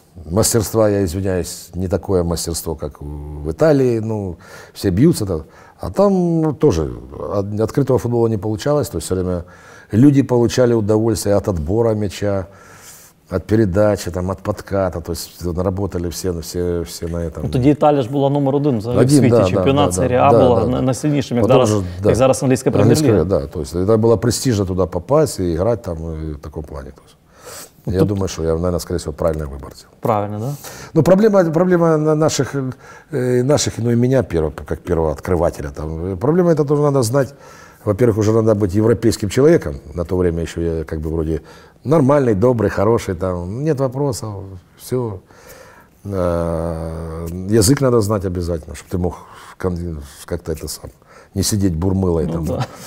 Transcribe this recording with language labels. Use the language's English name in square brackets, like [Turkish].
[Russian] Мастерство, я извиняюсь, не такое мастерство, как в Италии. Ну, все бьются. Да. А там тоже открытого футбола не получалось. То есть все время люди получали удовольствие от отбора мяча. От передачи, там, от подката, то есть наработали все на этом. [Ukrainian] Ну, тоді Італія ж була номер один взагалі в світі, чемпіонат Серії А була найсильнішим, як зараз англійська прем'єр-ліга. Да, то есть, це було престижно туди попасть і грати там і в такому плані. То есть. Я думаю, що я, наверное, скоріше всього, правильний вибір. Правильно, да? Ну, проблема наших, ну і мене, як першого відкривателя, там, проблема – це теж треба знати. [Russian] Во-первых, уже надо быть европейским человеком. На то время еще я как бы вроде нормальный, добрый, хороший, там нет вопросов, все. Язык надо знать обязательно, чтобы ты мог как-то это сам, не сидеть бурмылой там. Ну, да.